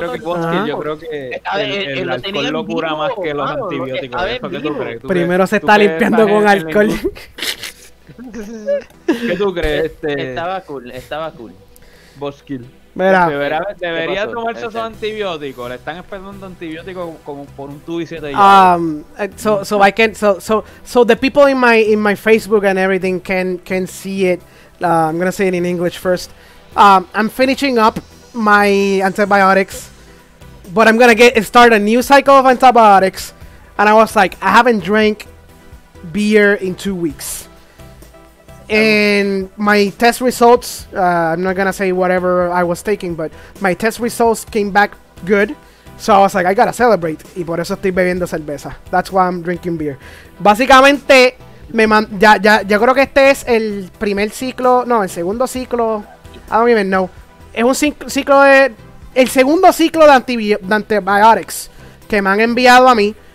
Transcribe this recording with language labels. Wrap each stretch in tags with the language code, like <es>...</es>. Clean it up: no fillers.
<es>Yo creo que el alcohol lo cura más que los antibióticos. Primero se está limpiando con alcohol. ¿Qué tú crees? Estaba cool. Boskill. Mira. Debería tomarse esos antibióticos. Le están esperando antibióticos como por un tubo y siete llaves.</es> <en>So the people in my Facebook and everything can see it. I'm gonna say it in English first. I'm finishing up my antibiotics, but I'm gonna start a new cycle of antibiotics. And I was like, I haven't drank beer in 2 weeks. And my test results, I'm not gonna say whatever I was taking, but my test results came back good. So I was like, I gotta celebrate.</en> <es>Y por eso estoy bebiendo cerveza.</es> <en>That's why I'm drinking beer.</en> <es>Básicamente, ya creo que este es el primer ciclo. No, el segundo ciclo.</es> <en>I don't even know.</en> <es>Es un ciclo de. El segundo ciclo de antibiotics que me han enviado a mí.</es>